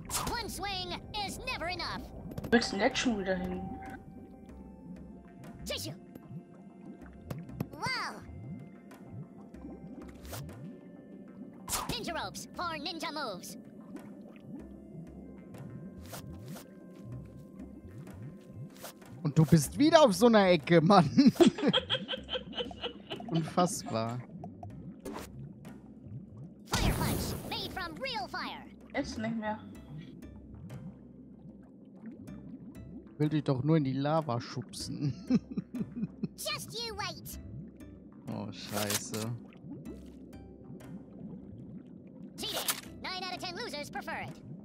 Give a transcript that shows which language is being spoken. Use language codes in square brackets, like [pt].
[en] One swing is never enough. [de] Willst du denn jetzt schon wieder hin? [en] Tissue. Wow. Ninja ropes for ninja moves. [de] Und du bist wieder auf so einer Ecke, Mann. Unfassbar. [en] Fire punch made from real fire. [de] Jetzt nicht mehr. Will dich doch nur in die Lava schubsen. [en] Just you wait. Oh, scheiße. Cheating. 9 out of 10 losers prefer it.